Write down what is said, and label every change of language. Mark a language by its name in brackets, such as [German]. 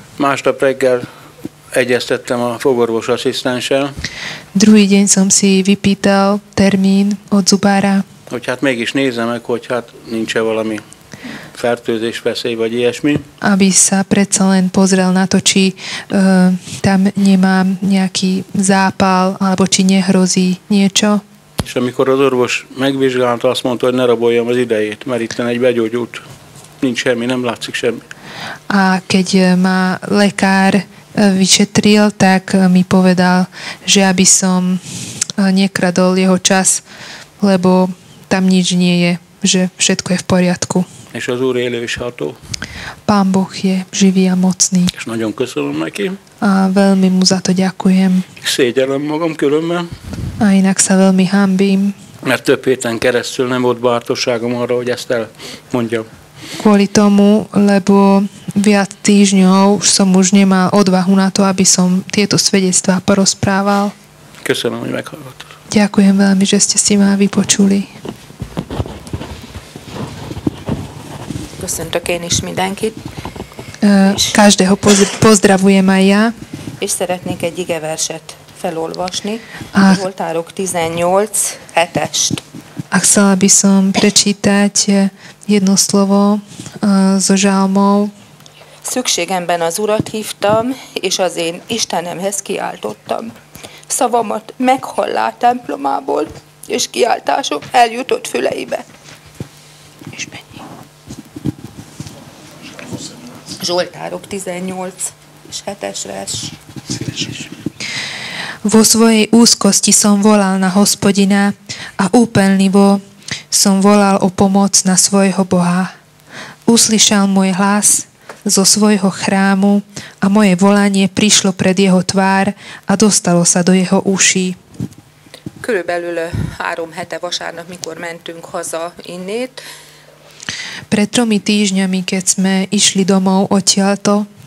[Hungarian] Másnap reggel egyeztettem a fogorvos asszisztenssel. [Slovak] Druhý deň som si vypýtal termín od zubára. [Hungarian] Hogy hát mégis nézze meg, hogy hát nincs-e valami fertőzés veszély vagy ilyesmi. [Slovak] Aby sa predsa len pozrel na to, či tam nemám nejaký zápal, alebo či nehrozí niečo. [Hungarian] És amikor az orvos megvizsgálta, azt mondta, hogy ne raboljam az idejét, mert itt egy begyógyult, nincs semmi, nem látszik semmi. [Slovak] A keď ma lekár vyšetril, tak mi povedal, že aby som nekradol jeho čas, lebo tam nič nie je, že všetko je v poriadku. [Hungarian] És az Úr élő és ható. [Slovak] Pán Boh je živý a mocný. [Hungarian] És nagyon köszönöm neki. [Slovak] A veľmi mu za to ďakujem. [Hungarian] Szégyellem magam különben. [Slovak] A inak sa veľmi hambím. [Hungarian] Mert több héten keresztül nem volt bátorságom arra, hogy ezt elmondjam. [Slovak] Kvôli tomu, lebo viac týždňov som už nemal odvahu na to, aby som tieto svedectvá porozprával. [Hungarian] Köszönöm, hogy meghallgattad. [Slovak] Ďakujem veľmi, že ste si ma vypočuli. [Hungarian] Köszöntök én is mindenkit. [Slovak] Každého pozdravujem aj ja. [Hungarian] És szeretnék egy igeverset felolvasni. A Zsoltárok 18:7-est. [Slovak] A chcela by som prečítať jedno slovo zo Žalmov. [Hungarian] Szükségemben az Urat hívtam, és az én Istenemhez kiáltottam. Szavamat meghallá templomából, és kiáltásom eljutott füleibe. És mennyi? Zsoltárok 18:7-es vers. [Slovak] Vo svojej úzkosti som volal na Hospodina a úpenlivo som volal o pomoc na svojho Boha. Uslyšal môj hlas zo svojho chrámu a moje volanie prišlo pred jeho tvár a dostalo sa do jeho uší. [Hungarian] Körülbelül 3 hete vasárnap, mikor mentünk haza innét. [Slovak] Pred 3 týždňami, keď sme išli domov odtiaľto,